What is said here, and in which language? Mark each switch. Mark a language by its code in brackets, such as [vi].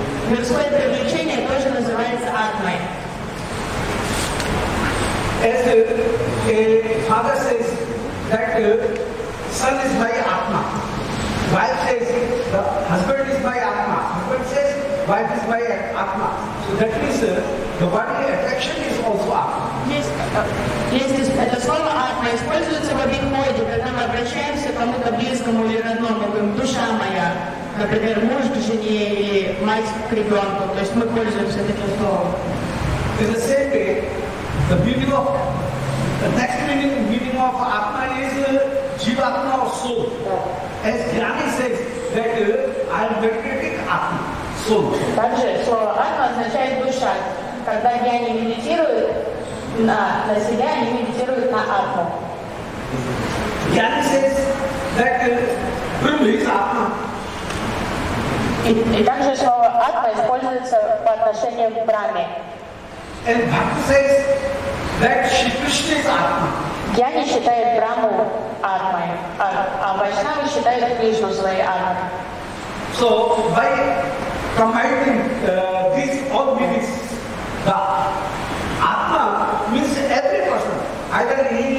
[ru] Людское привлечение тоже называется Атмой. [en] As a father says that son is my Atma. Wife says the husband is my Atma. Husband says wife is my Atma. So that means the bodily attraction is also Atma. [ru] Yes, это слово Атма используется в обиходе, когда мы обращаемся к кому-то близкому или родному, говорим, душа моя, например, муж к жене или мать к ребенку. То есть мы пользуемся таким словом. [en] In the same way, the meaning of the next meaning of Atma is Jivatma or soul. As Gyani says that I am meditating Atma, soul. [ru] Также слово Атма означает душа. Когда Гьяни медитирует на себя, они медитируют на Атму. [en] Gyani says that Brahma is Atma. [ru] И также слово Атма используется по отношению к Брахме. [en] And Bhakti says that Shri Krishna is Atma. [ru] Gyani считает Брахму Атмой, а Вайшнава считает Кришну своей Атмой. [en] So by combining these all meanings, the Atma means every person, either